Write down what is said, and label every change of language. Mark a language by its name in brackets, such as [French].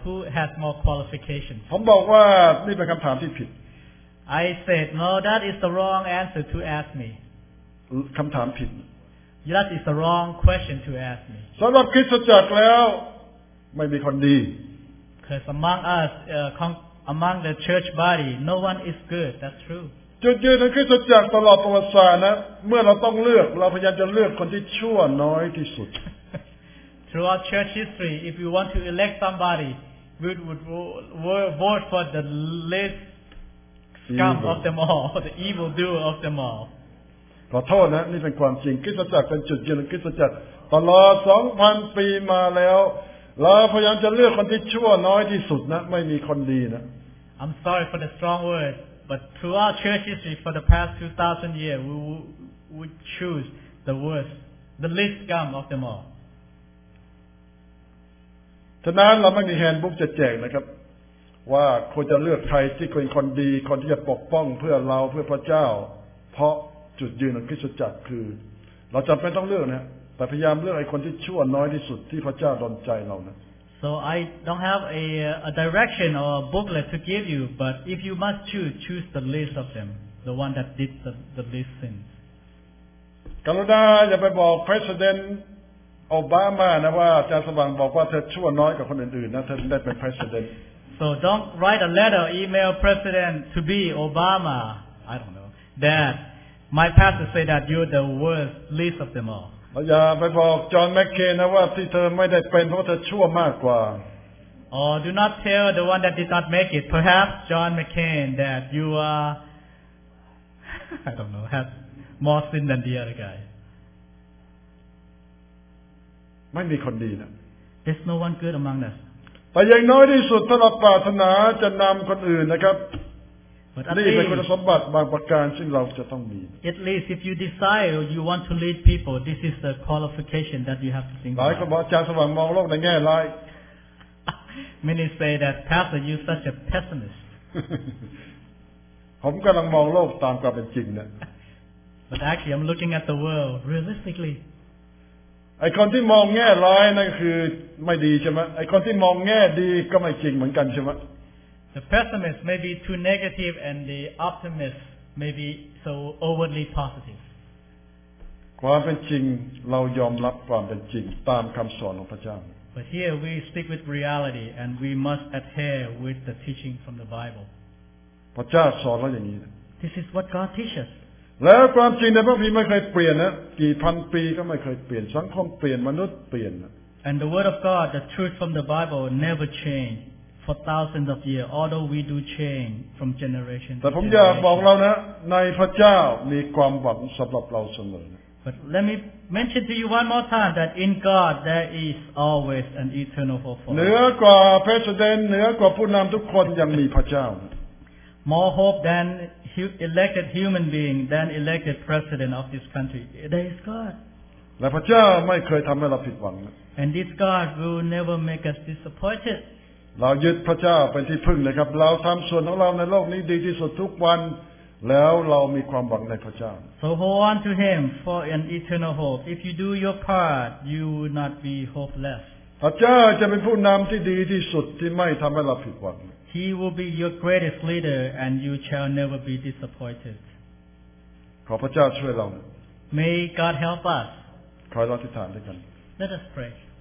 [English] Who has more qualifications? I said, no, that is the wrong answer to ask me. That is the wrong question to ask me. [Thai] สำหรับคริสตจักรแล้วไม่มีคนดี [English] Because among us, among the church body, no one is good. That's true. [Thai] จุดยืนในคริสตจักรตลอดประวัติศาสตร์นะเมื่อเราต้องเลือกเราพยายามจะเลือกคนที่ชั่วน้อยที่สุด [English] Throughout church history, if you want to elect somebody, we would vote for the least scum of them all, the evil doer of them all. [Thai] ขอโทษนะนี่เป็นความจริงคริสตจักรเป็นจุดยืนคริสตจักรตลอด 2,000 ปีมาแล้วเราพยายามจะเลือกคนที่ชั่วน้อยที่สุดนะไม่มีคนดีนะ [English] I'm sorry for the strong word but throughout church history for the past 2,000 years we would choose the worst the least scum of them all [Thai] ฉะนั้นเราไม่มีแฮนด์บุ๊กจะแจกนะครับว่าควรจะเลือกใครที่เป็นคนดีคนที่จะปกป้องเพื่อเราเพื่อพระเจ้าเพราะจุดยืนของคริสตจักรคือเราจำเป็นต้องเลือกนะแต่พยายามเลือกไอ้คนที่ชั่วน้อยที่สุดที่พระเจ้าดลใจเรานะ [English] So I don't have a direction or a booklet to give you but if you must choose the least of them the one that did the least sins [Thai] กรุณาอย่าไปบอก President Obama นะว่าอาจารย์สว่างบอกว่าเธอชั่วน้อยกว่าคนอื่นๆนะเธอได้เป็น President [English] So don't write a letter email President to be Obama I don't know thatMy pastor say that you're the worst least of them all. [Thai] อย่าไปบอกจอห์นแมคเคนนะว่าที่เธอไม่ได้เป็นเพราะเธอชั่วมากกว่า [English] Oh, do not tell the one that did not make it. Perhaps John McCain that you are, I don't know, have more sin than the other guy. [Thai] ไม่มีคนดีนะ [English] There's no one good among us. [Thai] แต่อย่างน้อยที่สุดถ้าเราปรารถนาจะนำคนอื่นนะครับนี่เป็นคุณสมบัติบางประการซึ่งเราจะต้องมี [English] At least if you decide you want to lead people this is the qualification that you have to think about [Thai] หลายคนอาจารย์สว่างมองโลกในแง่ร้าย [English] Many say that pastor you're such a pessimist [Thai] ผมกำลังมองโลกตามความเป็นจริงนะ [English] But actually I'm looking at the world realistically [Thai] ไอ้คนที่มองแง่ร้ายนั่นคือไม่ดีใช่ไหมไอ้คนที่มองแง่ดีก็ไม่จริงเหมือนกันใช่ไหม [English] The pessimist may be too negative and the optimist may be so overly positive. [Thai] ความเป็นจริงเรายอมรับความเป็นจริงตามคำสอนของพระเจ้า [English] But here we stick with reality and we must adhere with the teaching from the Bible. [Thai] พระเจ้าสอนเราอย่างนี้ [English] This is what God teaches. [Thai] แล้วความจริงในพระคัมภีร์ไม่เคยเปลี่ยนนะกี่พันปีก็ไม่เคยเปลี่ยนสังคมเปลี่ยนมนุษย์เปลี่ยนนะ [English] And the word of God, the truth from the Bible never changeFor thousands of years, although we do change from generation to generation. [Thai] แต่ผมอยากบอกเรานะในพระเจ้ามีความหวังสำหรับเราเสมอ [English] But let me mention to you one more time that in God there is always an eternal hope for [Thai] เหนือกว่า President เหนือกว่าผู้นำทุกคนยังมีพระเจ้า [English] More hope than elected human being than elected President of this country. There is God. [Thai] และพระเจ้าไม่เคยทำให้เราผิดหวัง [English] And this God will never make us disappointed. [Thai] เรายึดพระเจ้าเป็นที่พึ่งเลยครับเราทำส่วนของเราในโลกนี้ดีที่สุดทุกวันแล้วเรามีความหวังในพระเจ้า [English] So hold on to him for an eternal hope. If you do your part, you will not be hopeless. [Thai] พระเจ้าจะเป็นผู้นำที่ดีที่สุดที่ไม่ทำให้เราผิดหวัง [English] He will be your greatest leader, and you shall never be disappointed. [Thai] ขอพระเจ้าช่วยเรา [English] May God help us. [Thai] ขอเราอธิษฐานด้วยกัน [English] Let us pray.